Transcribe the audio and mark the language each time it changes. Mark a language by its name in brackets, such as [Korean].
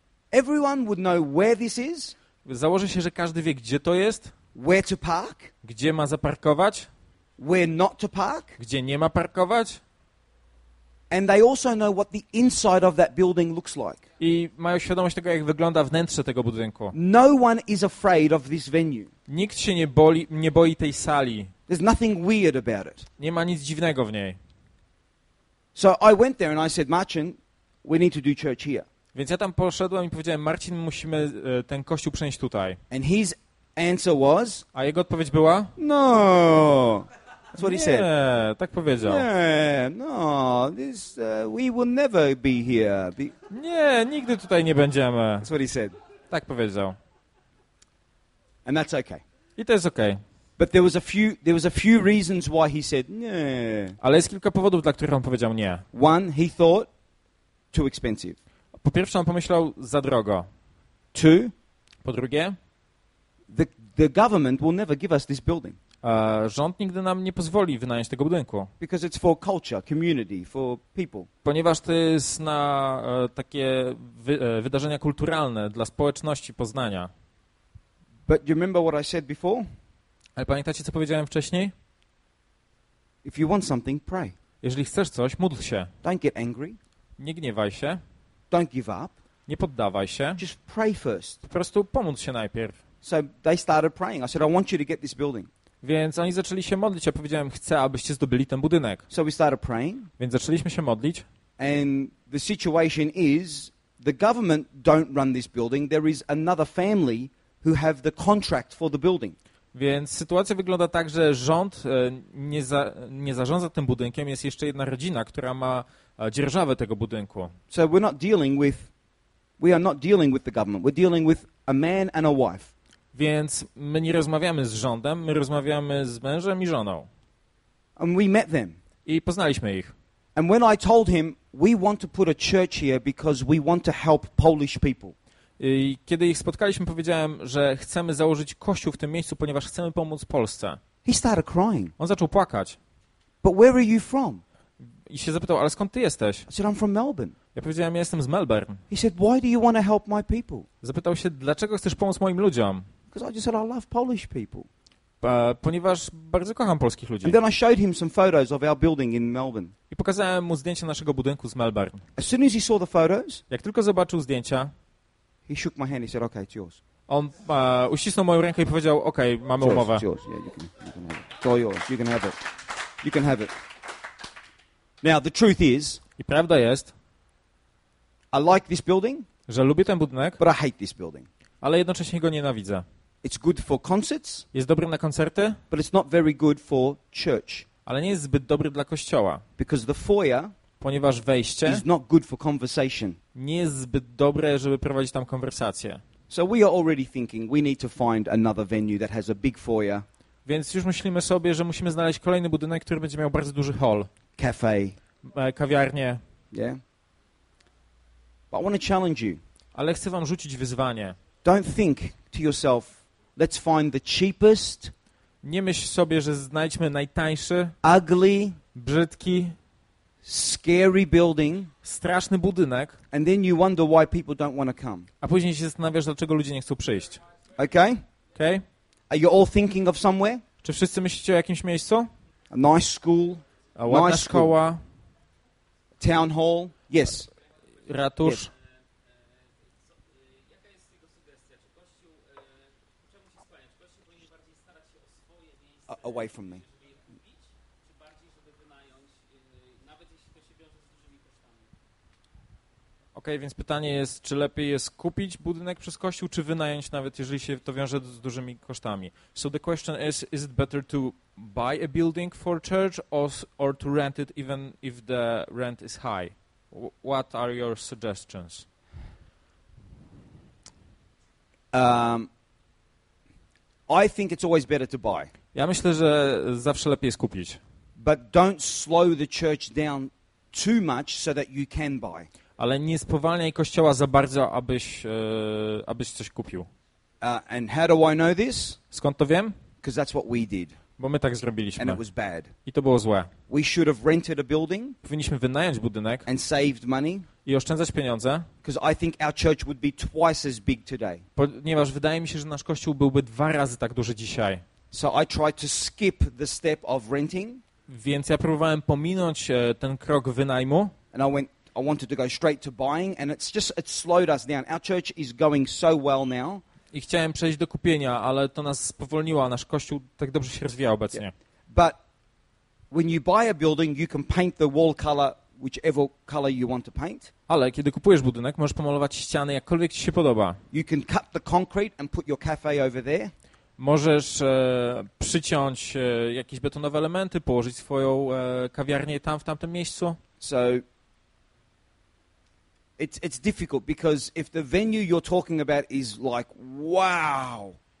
[English] Everyone would know where this is. [Polish] Założę się, że każdy wie, gdzie to jest. [English] Where to park? [Polish] Gdzie ma zaparkować? [English] Where not to park? [Polish] Gdzie nie ma parkować? [English] And they also know what the inside of that building looks like. [Polish] I mają świadomość tego, jak wygląda wnętrze tego budynku. [English] No one is afraid of this venue. [Polish] Nikt się nie boi tej sali. [English] There's nothing weird about it. [Polish] Nie ma nic dziwnego w niej. [English] So I went there and I said, Marcin, we need to do church here. [Polish] Więc ja tam poszedłem i powiedziałem, Marcin, musimy ten kościół przenieść tutaj. [English] And his answer was, [Polish] a jego odpowiedź była? [English] No. That's what [Polish] nie, [English] he said. [Polish] Tak powiedział. Nie, no, [English] this, we will never be here. [Polish] Nie, nigdy tutaj nie będziemy. [English] That's what he said. [Polish] Tak powiedział. [English] And that's okay. [Polish] I to jest okay. [English] But there was a few reasons why he said, nie. [Polish] Ale jest kilka powodów, dla których on powiedział nie. [English] One, he thought too expensive. [Polish] Po pierwsze, on pomyślał za drogo. [English] Two, [Polish] po drugie, [English] the government will never give us this building. [Polish] Rząd nigdy nam nie pozwoli wynająć tego budynku. [English] Because it's for culture, community, for people. [Polish] Ponieważ to jest na takie wydarzenia kulturalne dla społeczności Poznania. [English] But you remember what I said before? [Polish] Ale pamiętacie, co powiedziałem wcześniej? [English] If you want something, pray. [Polish] Jeżeli chcesz coś, módl się. [English] Don't get angry. [Polish] Nie gniewaj się. [English] Don't give up. [Polish] Nie poddawaj się. [English] Just pray first. [Polish] Po prostu pomódl się najpierw. [English] So they started praying. I said, I want you to get this building. [Polish] Więc oni zaczęli się modlić, a powiedziałem, chcę, abyście zdobyli ten budynek. [English] So we started praying. [Polish] Więc zaczęliśmy się modlić. [English] And the situation is, the government don't run this building. There is another family who have the contract for the building. [Polish] Więc sytuacja wygląda tak, że rząd nie zarządza tym budynkiem. Jest jeszcze jedna rodzina, która ma dzierżawę tego budynku. [English] So we're not dealing with, we are not dealing with the government. We're dealing with a man and a wife. [Polish] Więc my nie rozmawiamy z rządem, my rozmawiamy z mężem i żoną. [English] And we met them. [Polish] I poznaliśmy ich. [English] And when I told him, we want to put a church here because we want to help Polish people. [Polish] I kiedy ich spotkaliśmy, powiedziałem, że chcemy założyć kościół w tym miejscu, ponieważ chcemy pomóc Polsce. [English] He started crying. [Polish] On zaczął płakać. [English] But where are you from? [Polish] I się zapytał, ale skąd ty jesteś? [English] I said, I'm from Melbourne. [Polish] Ja powiedziałem, ja jestem z Melbourne. [English] He said, why do you want to help my people? [Polish] Zapytał się, dlaczego chcesz pomóc moim ludziom? [English] Because I just said, I love Polish people. [Polish] Ponieważ bardzo kocham polskich ludzi. [English] And then I showed him some photos of our building in Melbourne. [Polish] I pokazałem mu zdjęcia naszego budynku z Melbourne. [English] As soon as he saw the photos, [Polish] jak tylko zobaczył zdjęcia, [English] he shook my hand, he said, okay, it's yours. [Polish] On uścisnął moją rękę i powiedział, okay, mamy umowę. [English] It's yours, yeah, you can have it. It's all yours, you can have it. You can have it. Now, the truth is, [Polish] i prawda jest, [English] I like this building, [Polish] że lubię ten budynek, [English] but I hate this building. [Polish] Ale jednocześnie go nienawidzę. [English] It's good for concerts, [Polish] jest dobry na koncerty, [English] but it's not very good for church. [Polish] Ale nie jest zbyt dobry dla kościoła. [English] Because the foyer, [Polish] ponieważ wejście, [English] is not good for conversation. [Polish] Nie jest zbyt dobre, żeby prowadzić tam konwersację. [English] So we are already thinking we need to find another venue that has a big foyer. [Polish] Więc już myślimy sobie, że musimy znaleźć kolejny budynek, który będzie miał bardzo duży hall. [English] Cafe. [Polish] Kawiarnie. [English] Yeah. But I want to challenge you. [Polish] Ale chcę wam rzucić wyzwanie. [English] Don't think to yourself, let's find the cheapest. [Polish] Nie myśl sobie, że znajdźmy najtańszy. [English] Ugly. [Polish] Brzydki. [English] Scary building. [Polish] Straszny budynek. [English] And then you wonder why people don't want to come. [Polish] A później się zastanawiasz, dlaczego ludzie nie chcą przyjść. [English] Okay? [Polish] Okay? [English] Are you all thinking of somewhere? [Polish] Czy wszyscy myślicie o jakimś miejscu? [English] A nice school. [Polish] A ładna nice szkoła. [English] School. Town hall. Yes. [Polish] Ratusz. Yes. [English] Away from me. [Polish] Okej, więc pytanie jest, czy lepiej jest kupić budynek przez kościół, czy wynająć, nawet jeżeli się to wiąże z dużymi kosztami. [English] So the question is it better to buy a building for church or to rent it even if the rent is high? What are your suggestions? I think it's always better to buy. [Polish] Ja myślę, że zawsze lepiej jest kupić. [English] But don't slow the church down too much so that you can buy. [Polish] Ale nie spowalniaj kościoła za bardzo, abyś coś kupił. [English] And how do I know this? [Polish] Skąd to wiem? [English] Because that's what we did. [Polish] Bo my tak zrobiliśmy. [English] And it was bad. [Polish] I to było złe. [English] We should have rented a building. [Polish] Powinniśmy wynająć budynek. [English] And saved money. [Polish] I oszczędzać pieniądze. [English] Because I think our church would be twice as big today. [Polish] Ponieważ wydaje mi się, że nasz kościół byłby dwa razy tak duży dzisiaj. [English] So I tried to skip the step of renting. [Polish] Więc ja próbowałem pominąć ten krok wynajmu. [English] And I wanted to go straight to buying and it slowed us down. Our church is going so well now. [Polish] I chciałem przejść do kupienia, ale to nas spowolniło, a nasz kościół tak dobrze się rozwija obecnie. [English] But when you buy a building, you can paint the wall color whichever color you want to paint. [Polish] Ale kiedy kupujesz budynek, możesz pomalować ściany jakkolwiek ci się podoba. [English] You can cut the concrete and put your cafe over there. [Polish] Możesz przyciąć jakieś betonowe elementy, położyć swoją kawiarnię tam w tamtym miejscu. [English] So It's difficult because if the venue you're talking about is like wow.